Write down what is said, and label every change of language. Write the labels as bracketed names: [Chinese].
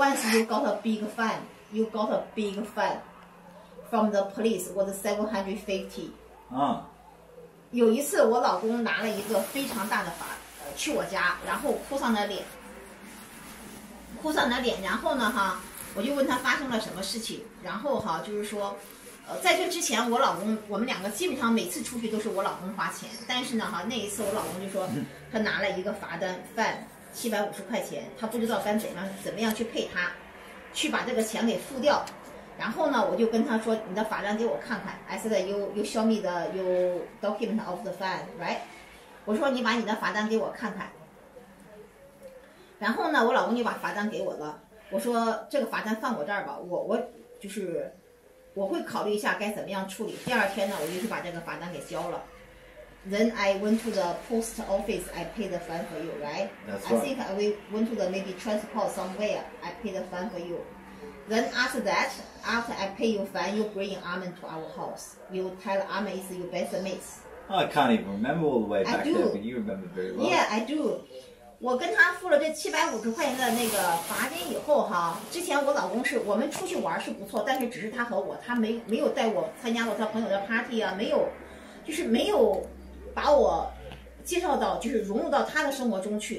[English] Once you got a big fine, you got a big fine from the police was $750. [Chinese] 有一次我老公拿了一个非常大的罚，去我家，然后哭丧着脸，然后呢哈，我就问他发生了什么事情，然后哈就是说。在这之前我老公，我们两个基本上每次出去都是我老公花钱，但是呢哈，那一次我老公就说他拿了一个罚单饭$750，他不知道该怎么样去配他，去把这个钱给付掉。然后呢我就跟他说你的罚单给我看看， [English] I said you show me the you document of the fine, right? [Chinese] 我说你把你的罚单给我看看。然后呢我老公就把罚单给我了，我说这个罚单放我这儿吧，我就是我会考虑一下该怎么样处理。第二天呢我就去把这个罚单给交了。 [English] Then I went to the post office, I paid the fine for you, right? That's right. I think I went to the maybe transport somewhere, I paid the fine for you. Then after I pay you fine, you bring Armin to our house. You tell Armin is your best mate. I can't even remember all the way back there, but you remember very well. Yeah, I do. [Chinese] 我跟他付了这$750的那个罚金以后哈，之前我老公是我们出去玩是不错，但是只是他和我，他没有带我参加过他朋友的 party 啊，没有，就是没有把我介绍到，就是融入到他的生活中去。